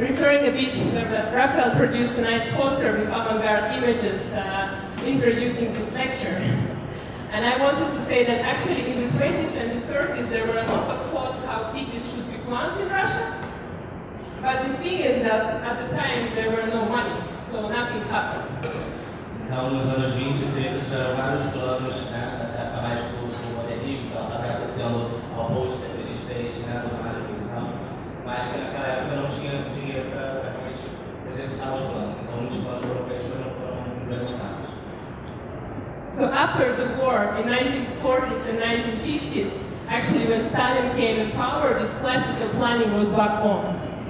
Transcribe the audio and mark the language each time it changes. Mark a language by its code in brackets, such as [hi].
[en] Referring a bit that Rafael produced a nice poster with avant-garde images introducing this lecture. And I wanted to say that actually in the 20s and the 30s there were a lot of thoughts how cities should be planned in Russia. But the thing is that at the time there were no money, so nothing happened. [pt] Então, nos anos 20, temos vários planos, né, nessa época mais do modernismo, que ela está associando ao post que a gente fez, né, do Mário e tal. Mas que naquela época não tinha dinheiro para realmente executar os planos. Então, muitos planos europeus foram implementados. [en] So after the war in 1940s and 1950s, actually when Stalin came in power, this classical planning was back on.